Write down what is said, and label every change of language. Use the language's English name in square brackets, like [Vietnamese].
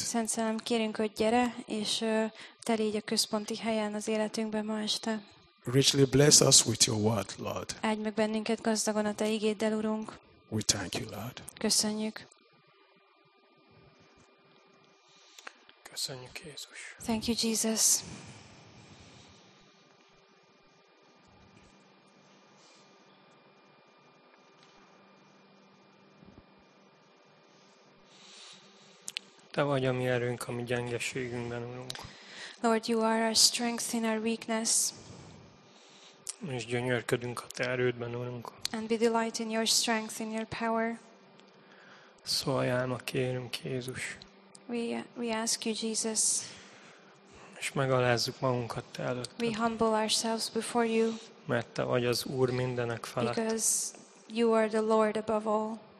[Hungarian] Szent Szellem, kérünk, hogy gyere, és te légy a központi helyen az életünkben ma este. [English] Richly bless us with your word, Lord. [Hungarian] Áld meg bennünket gazdagon a te igéddel, Urunk. [English] We thank you, Lord. [Hungarian] Köszönjük. Köszönjük, Jézus. [English] Thank you, Jesus. [Hungarian] Te vagy a mi erőnk, a mi gyengeségünkben, Urunk. [English] Lord, you are our strength in our weakness. [Hungarian] És gyönyörködünk a te erődben, Urunk. [English] And we delight in your strength, in your power. [Hungarian] Szóljál ma, kérünk, Jézus. [English] We ask you, Jesus. [Hungarian] És megalázzuk magunkat te előtted. [English] We humble ourselves before you. [Hungarian] Mert te vagy az Úr mindenek felett. [English] Because you are the Lord above all.